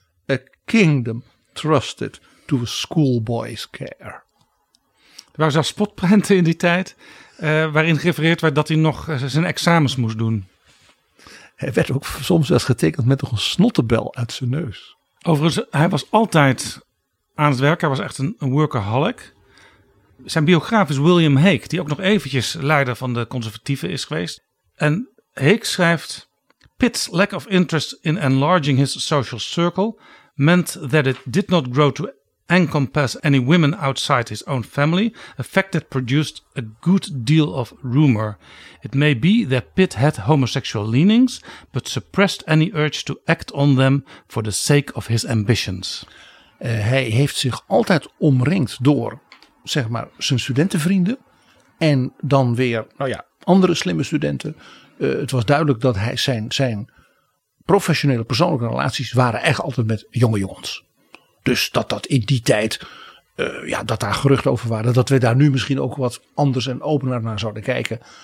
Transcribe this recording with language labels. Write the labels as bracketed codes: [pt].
[en] A kingdom trusted to a schoolboy's care. [nl] Er waren zelfs spotprenten in die tijd, waarin gerefereerd werd dat hij nog zijn examens moest doen. Hij werd ook soms wel eens getekend met nog een snottenbel uit zijn neus. Overigens, hij was altijd aan het werk. Hij was echt een workaholic. Zijn biograaf is William Hague, die ook nog eventjes leider van de conservatieven is geweest. En Hague schrijft, [en] Pitt's lack of interest in enlarging his social circle meant that it did not grow to encompass any women outside his own family, a fact that produced a good deal of rumor. It may be that Pitt had homosexual leanings, but suppressed any urge to act on them for the sake of his ambitions. [nl] Hij heeft zich altijd omringd door, zeg maar, zijn studentenvrienden en dan weer, nou ja, andere slimme studenten. Het was duidelijk dat hij zijn professionele persoonlijke relaties waren echt altijd met jonge jongens. Dus dat in die tijd, dat daar geruchten over waren, dat we daar nu misschien ook wat anders en opener naar zouden kijken.